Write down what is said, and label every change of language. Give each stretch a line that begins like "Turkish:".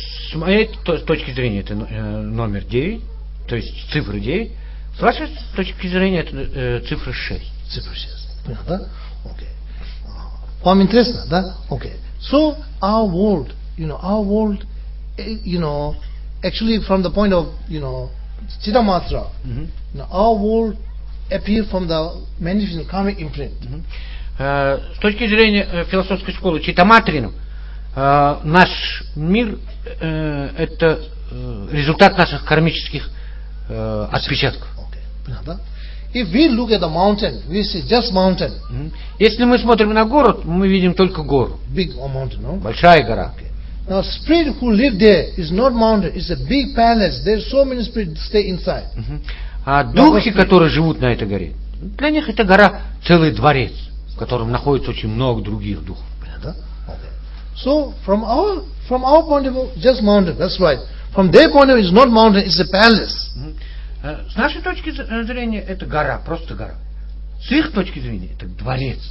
Russian: С моей точки зрения, это номер 9, то есть цифра 9. С вашей точки зрения, это цифра 6. Цифра 6. Понятно? Окей. Вам интересно, да? Окей.
English: So, our world, you know, actually, from the point of, you know, Siddha Matra, our world appear from the manifestation karmic imprint.
Russian: С точки зрения философской школы Читаматрина, наш мир это результат наших кармических отпечатков.
English: Okay. If we look at the mountain, we see just mountain.
Russian: Если мы смотрим на город, мы видим только гору.
English: Big mountain, no?
Russian: Большая гора.
English: Now spirit who live there is not mountain, it's a big palace. There's so many spirits stay inside.
Russian: А духи, которые живут на этой горе, для них эта гора целый дворец, в котором находится очень много других духов. Понятно? Okay.
English: So from our point of view, just mountain, that's right. From their point of view, it's not mountain, it's a palace.
Russian: С нашей точки зрения это гора, просто гора. С их точки зрения это дворец.